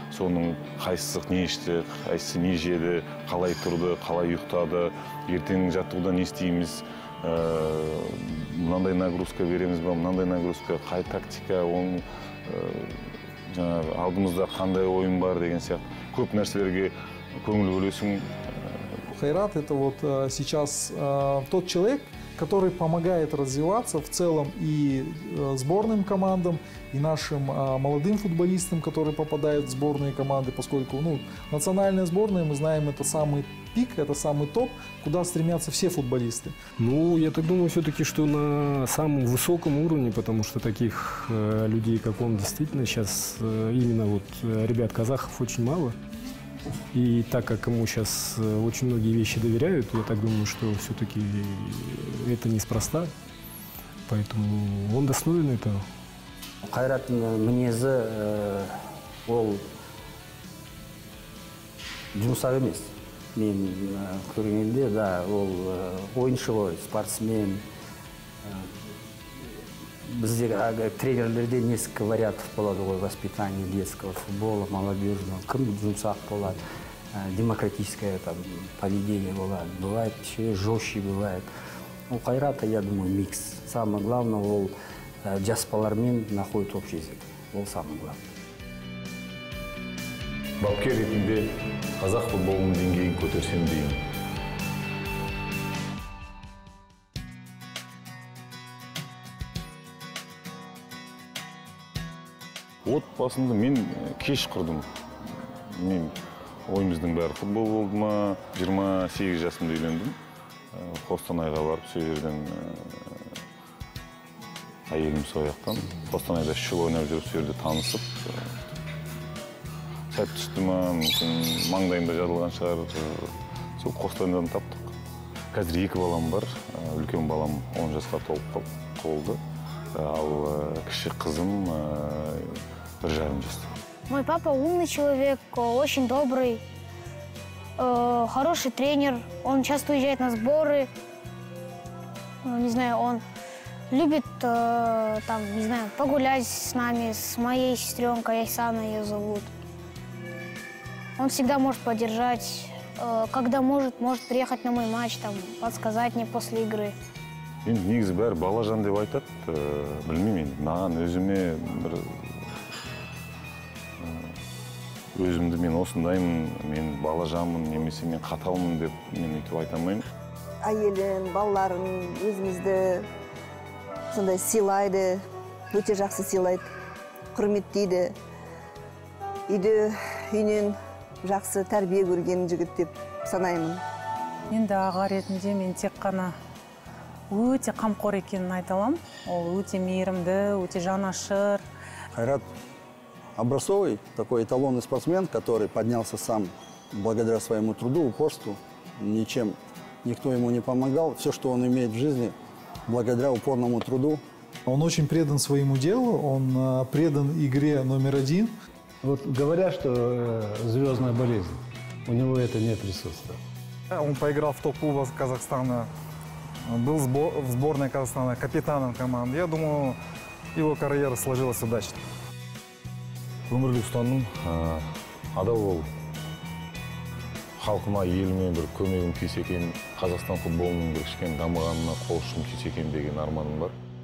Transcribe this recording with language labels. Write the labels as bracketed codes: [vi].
[kk] Соның қайсысы не ішті, қайсысы не жеді, қалай тұрды, қалай ұйықтады, ертең жаттығуда не істейміз, мынандай нагрузка береміз бе, мынандай нагрузка, қай тактика, жаңағы алдымызда қандай ойын бар деген сияқты. Көп нәрселерге көңіл бөлесің. [ru] Қайрат это вот сейчас тот человек, который помогает развиваться в целом и сборным командам, и нашим молодым футболистам, которые попадают в сборные команды, поскольку национальная сборная, мы знаем, это самый пик, это самый топ, куда стремятся все футболисты. Ну, я так думаю, все-таки, что на самом высоком уровне, потому что таких людей, как он, действительно сейчас именно вот ребят казахов очень мало. И так как ему сейчас очень многие вещи доверяют, я так думаю, что все-таки это неспроста. Поэтому он достоин этого. [kk] Қайрат мінезі ол жұмсақ емес. Мен көргенде, да, ол ойыншы ғой, спортсмен. Бізде тренерлерде [ru] несколько вариантов [kk] болады ғой, [ru] воспитание детского футбола, молодежного. [kk] Кім жұмсақ болады, [ru] демократическое там поведение [kk] болады. [ru] Бывает еще жестче бывает. У Қайрата, я думаю, микс. Самое главное, [kk] ол жаспалармен [ru] находит общий язык. Ол самый главный. [kk] Бапкер ретінде қазақ футболының деңгейін көтерсем дейін. Отбасымды мен кеш құрдым. Мен ойымыздың бәрі футбол болды ма. 28 жасымда үйлендім. Қостанайға барып сол жерден әйелім сол жақтан. Қостанайда шыл ойнап жүріп сол жерде танысып. Сәт түсті ма, мүмкін маңдайында жазылған шығар. Сол Қостанайдан таптық. Қазір екі балам бар. Үлкен балам 10 жасқа толды. Ал кіші қызым 1,5 жаста. [ru] Мой папа умный человек, очень добрый, хороший тренер. Он часто уезжает на сборы. Не знаю, он любит там, не знаю, погулять с нами, с моей сестренкой Айсаной ее зовут. Он всегда может поддержать. Когда может приехать на мой матч, там, подсказать мне после игры. [kk] Енді негізі бәрі бала жан деп айтады, білмеймін, маған өзіме бір өзімді мен осындаймын, мен бала жанмын, немесе мен қаталмын деп мен өйтіп айтамайын. Әйелін, балаларын, өзімізді сондай сыйлайды, өте жақсы сыйлайды, құрметтейді. Үйде үйінен жақсы тәрбие көрген жігіт деп санаймын. Енді аға ретінде мен тек қана өте қамқор екенін айталам. Ол өте мейірімді, өте жанашыр. [ru] Қайрат образцовый, такой эталонный спортсмен, который поднялся сам благодаря своему труду, упорству. Ничем никто ему не помогал. Все, что он имеет в жизни, благодаря упорному труду. Он очень предан своему делу, он предан игре номер один. Вот говорят, что звездная болезнь, у него это не присутствует. Он поиграл в топ-клубах Казахстана, был в сборной Казахстана, капитаном команды. Я думаю, его карьера сложилась удачно. [kk] Өмірлі ұстаным, адал бол. Халқыма, еліме бір көмегім тисекен, Қазақстан футболының бір кішкен дамығанына қол ұшым тисекен деген арманым бар.